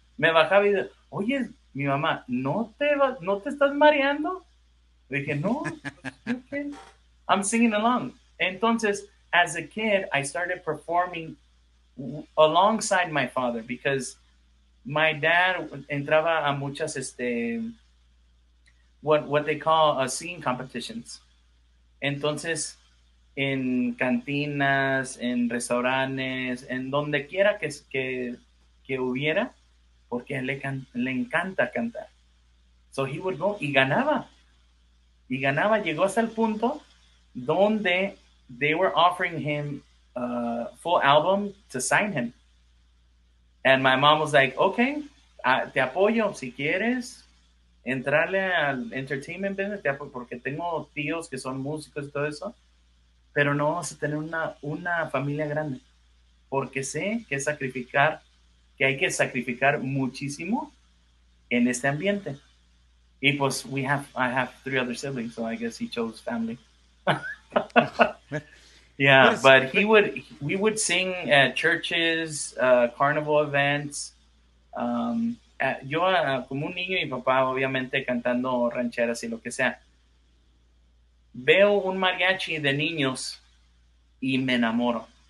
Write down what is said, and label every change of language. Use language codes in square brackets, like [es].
[es] Me bajaba y de, oye, mi mamá, ¿no te estás mareando? [en] Le dije, no. Okay. I'm singing along. Entonces, as a kid, I started performing alongside my father because my dad entraba a muchas, what they call singing competitions. [es] Entonces, en cantinas, en restaurantes, en donde quiera que hubiera, porque le encanta cantar. [en] So he would go y ganaba. Y ganaba, llegó hasta el punto donde they were offering him a full album to sign him. [es] And my mom was like, okay, te apoyo si quieres entrarle al entertainment business, porque tengo tíos que son músicos y todo eso, pero no vamos a tener una familia grande, porque sé que sacrificar que hay que sacrificar muchísimo en este ambiente. [en] Y pues, I have three other siblings, so I guess he chose family. Yeah, yes, but we would sing at churches, carnival events. [es] Yo, como un niño, mi papá, obviamente, cantando rancheras y lo que sea. Veo un mariachi de niños y me enamoro.